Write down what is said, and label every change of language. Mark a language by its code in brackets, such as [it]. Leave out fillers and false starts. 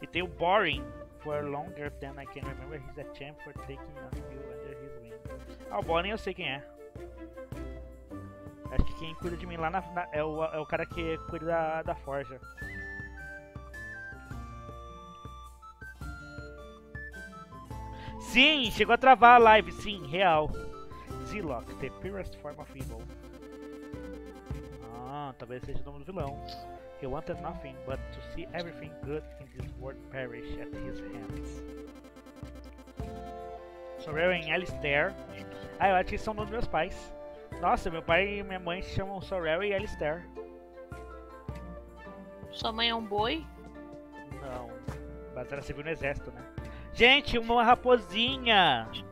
[pt] E tem o [en] Boring for longer than I can remember. He's a champ for taking on you under his wing. [pt] Ah, o Boring eu sei quem é. Acho que quem cuida de mim lá é o cara que cuida da forja. Sim, chegou a travar a live, sim, real. Zilok, [en] the purest form of evil. [pt] Ah, talvez seja o nome do vilão. [en] He wanted nothing but to see everything good in this world perish at his hands. Sorrel and Alistair. [pt] Ah, eu acho que são os meus pais. Nossa, meu pai e minha mãe se chamam Sorrel e Alistair. Sua mãe é um boi? Não. Mas ela serviu no exército, né? Gente, uma raposinha!